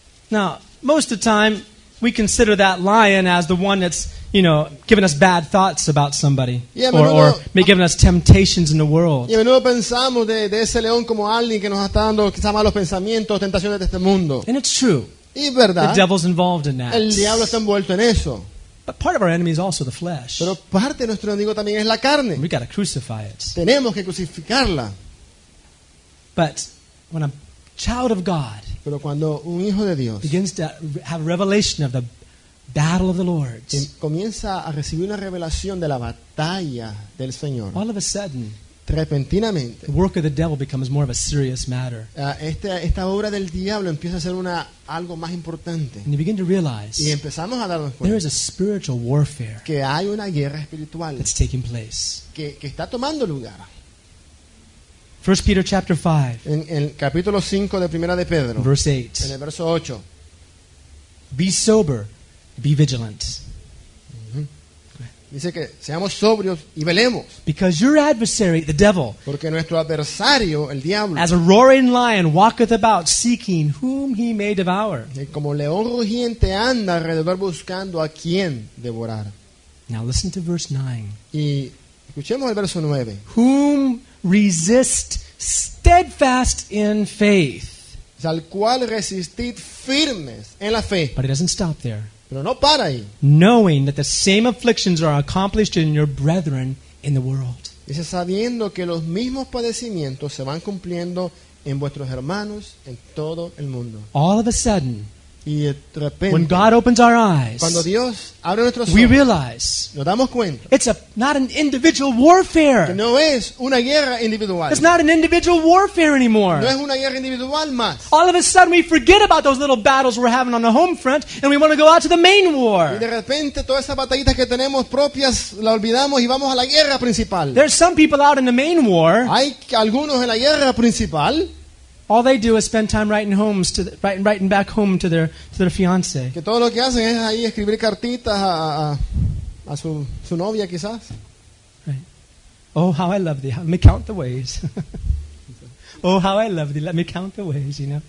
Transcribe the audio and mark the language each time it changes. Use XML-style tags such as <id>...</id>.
<en>Now, most of the time, we consider that lion as the one that's, you know, giving us bad thoughts about somebody, or giving us temptations in the world.</en> <es>Y a menudo pensamos de ese león como alguien que nos está dando quizás malos pensamientos, tentaciones de este mundo.</es> <en>And it's true.</en> <es>Y verdad.</es> <en>The devil's involved in that.</en> <es>El diablo está envuelto en eso.</es> <en>But part of our enemy is also the flesh.</en> <es>Pero parte de nuestro enemigo también es la carne.</es> <en>We gotta crucify it.</en> <es>Tenemos que crucificarla.</es> <en>But when a child of God</en> <es>pero cuando un hijo de Dios</es> <en>begins to have revelation of the battle of the Lord,</en> <es>comienza a recibir una revelación de la batalla del Señor,</es> <en>all of a sudden,</en> <es>repentinamente,</es> <en>the work of the devil becomes more of a serious matter.</en> <es>Esta obra del diablo empieza a ser algo más importante.</es> <en>And you begin to realize,</en> <es>y empezamos a darnos cuenta,</es> <en>there is a spiritual warfare,</en> <es>que hay una guerra espiritual,</es> <en>that's taking place,</en> <es>que está tomando lugar.</es> <en>First Peter chapter 5.</en> <es>En el capítulo 5 de Primera de Pedro.</es> <en>Verse 8.</en> <es>En el verso 8.</es> <en>Be sober, be vigilant.</en> <es>Dice que seamos sobrios y velemos.</es> <en>Because your adversary, the devil,</en> <es>porque nuestro adversario, el diablo,</es> <en>as a roaring lion walketh about seeking whom he may devour.</en> <es>Y como león rugiente anda alrededor buscando a quien devorar.</es> <en>Now listen to verse 9.</en> <es>Y escuchemos el verso 9.</es> <en>Whom resist steadfast in faith.</en> <es>Es al cual resistid firmes en la fe.</es> <en>But it doesn't stop there.</en> <es>Pero no para ahí.</es> <en>Knowing that the same afflictions are accomplished in your brethren in the world.</en> <es>Dice, sabiendo que los mismos padecimientos se van cumpliendo en vuestros hermanos en todo el mundo.</es> <en>All of a sudden,</en> <es>y de repente,</es> <en>when God opens our eyes,</en> <es>cuando Dios abre nuestros ojos,</es> <en>we realize,</en> <es>nos damos cuenta,</es> <en>it's not an individual warfare.</en> <es>No es una guerra individual.</es> <en>It's not an individual warfare anymore.</en> <es>No es una guerra individual más.</es> <en>All of a sudden we forget about those little battles we're having on the home front and we want to go out to the main war.</en> <es>Y de repente todas esas batallitas que tenemos propias las olvidamos y vamos a la guerra principal.</es> <en>There's some people out in the main war.</en> <es>Hay algunos en la guerra principal.</es> <en>All they do is spend time writing back home to their fiance.</en> <es>Que todo lo que hacen es ahí escribir cartitas a su novia quizás.</es> <en>Right. Oh, how I love thee. Let me count the ways. Oh, how I love thee. Let me count the ways, you know.</en>